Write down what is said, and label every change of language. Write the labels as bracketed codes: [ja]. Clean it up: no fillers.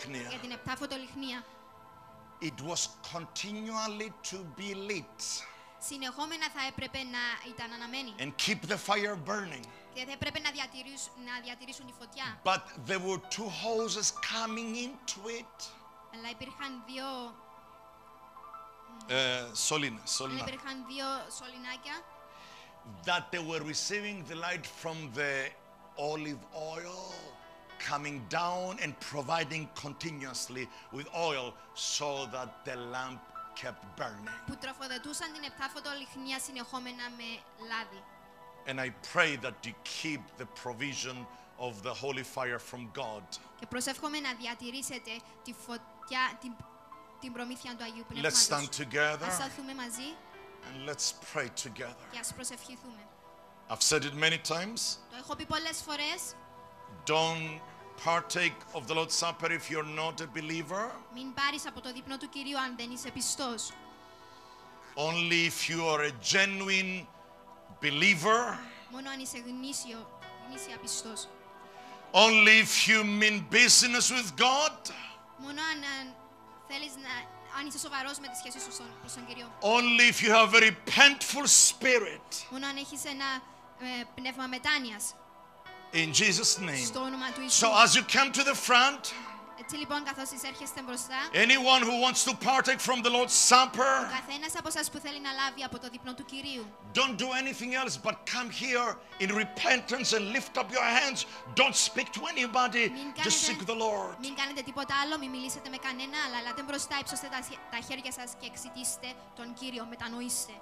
[el] Για την επτάφωτο λιχνία. [en] It was continually to be lit. [el] Συνεχόμενα θα έπρεπε να ήταν αναμένη. [en] And keep the fire burning. [el] Και θα έπρεπε να διατηρήσουν τη φωτιά. [en] But there were two hoses coming into it. [el] Αλλά υπήρχαν δύο σωληνάκια. [en] That they were receiving the light from the olive oil coming down and providing continuously with oil so that the lamp kept burning. [el] Που τροφοδοτούσαν την επτάφωτο λιχνία συνεχόμενα με λάδι. [en] And I pray that you keep the provision of the holy fire from God. [el] Και προσεύχομαι να διατηρήσετε τη φωτιά, την προμήθεια του Αγίου Πνεύματος. [en] Let's stand together. [el] Ας σταθούμε μαζί. [en] And let's pray together. [el] Και ας προσευχηθούμε. [en] I've said it many times. [el] Το έχω πει πολλές φορές. [en] Don't partake of the Lord's Supper if you're not a believer. [el] Μην πάρεις από το δείπνο του Κυρίου αν δεν είσαι πιστός. [en] Only if you are a genuine believer. [el] Μόνο αν είσαι γνήσια πιστός. [en] Only if you mean business with God. [el] Μόνο αν θέλεις να. Αν είσαι σοβαρός με τη σχέση σου προς τον Κύριο. [en] Only if you have a repentful spirit. [el] Μόνο αν έχεις ένα πνεύμα μετάνοιας. [en] In Jesus' name. [el] Στο όνομα του Ιησού. [en] So as you come to the front, [el] έτσι λοιπόν καθώς εισέρχεστε μπροστά, [en] anyone who wants to partake from the Lord's Supper, [el] ο καθένας από σας που θέλει να λάβει από το δείπνο του Κυρίου, [en] don't do anything else but come here in repentance and lift up your hands. Don't speak to anybody. Just seek the Lord. [el] Μην κάνετε τίποτα άλλο, μην μιλήσετε με κανένα, αλλά λάτε μπροστά, υψώστε τα χέρια σας και εξητήστε τον Κύριο, μετανοήστε.